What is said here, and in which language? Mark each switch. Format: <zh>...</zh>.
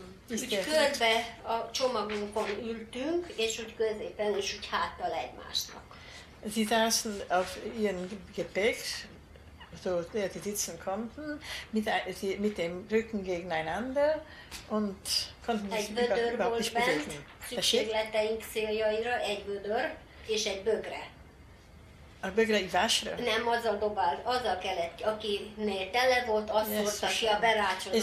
<hu>Úgy körbe a csomagunkon ültünk, és úgy középen, és úgy háttal egymásnak.</hu> <de>Sie saßen auf ihren Gepäck, so der die sitzen konnten, mit dem Rücken gegeneinander und konnten sich überhaupt nicht bewegen.</de> <hu>Szükségleteink széljaira egy vödör és egy bögre. A bögre ivásra? Nem, azzal kellett, akinél tele volt, azt hordta ki a berácsolt</hu>